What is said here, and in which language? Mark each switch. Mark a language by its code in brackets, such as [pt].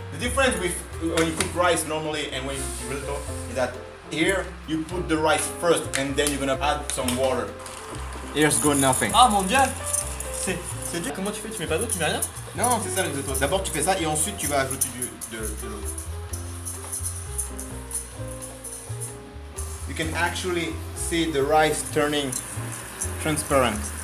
[en] The difference with when you cook rice normally and when you cook risotto is that here you put the rice first and then you're gonna add some water. Here's good nothing. [fr] Ah mon dieu! C'est dur. Comment tu fais? Tu mets pas d'eau, tu mets rien? Non, c'est ça le risotto. D'abord tu fais ça et ensuite tu vas ajouter de l'eau. [en] You can actually see the rice turning transparent.